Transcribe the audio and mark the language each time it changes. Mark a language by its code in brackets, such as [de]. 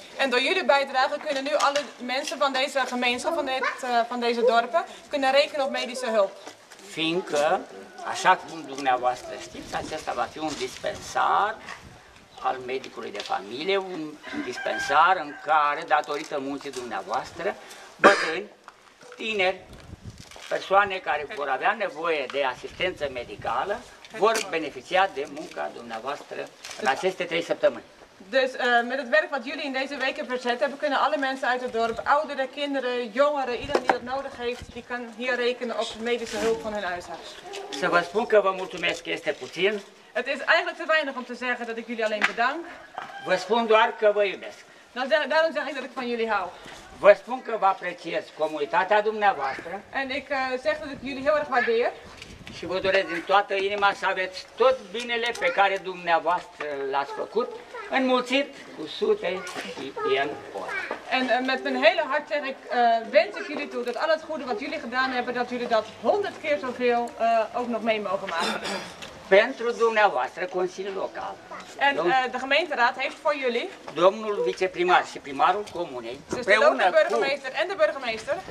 [nl] En door jullie bijdrage kunnen nu alle mensen van deze gemeenschap, van deze dorpen, kunnen rekenen op medische hulp. [ro] Fiindcă, așa cum dumneavoastră știți, acesta va fi un dispensar al medicului de familie, un dispensar în care, datorită muncii dumneavoastră, bătrâni, tineri, persoane care vor avea nevoie de asistență medicală, vor beneficia de munca dumneavoastră în aceste 3 săptămâni. [nl] Dus met het werk wat jullie in deze weken verzet hebben, kunnen alle mensen uit het dorp, ouderen, kinderen, jongeren, iedereen die dat nodig heeft, die kan hier rekenen op medische hulp van hun huisarts. [ro] Să vă spun că vă mulțumesc este puțin. [nl] Het is eigenlijk te weinig om te zeggen dat ik jullie alleen bedank. [ro] Vă spun doar că vă iubesc. [nl] Daarom zeg ik dat ik van jullie hou. [ro] Vă spun că vă apreciez comunitatea dumneavoastră. [nl] En ik zeg dat ik jullie heel erg waardeer. [ro] Și vă doresc din toată inima să aveți tot binele pe care dumneavoastră l-ați făcut, înmulțit cu sute și în ori. [nl] En met mijn hele hart zeg ik, wens ik jullie toe dat al het goede wat jullie gedaan hebben, dat jullie dat 100 keer zoveel ook nog mee mogen maken. [ro] Pentru dumneavoastră, Consiliul Local. [nl] En de gemeenteraad heeft voor jullie. [ro] Domnul viceprimar și primarul comunei. [nl] Dus de lokale burgemeester en de burgemeester.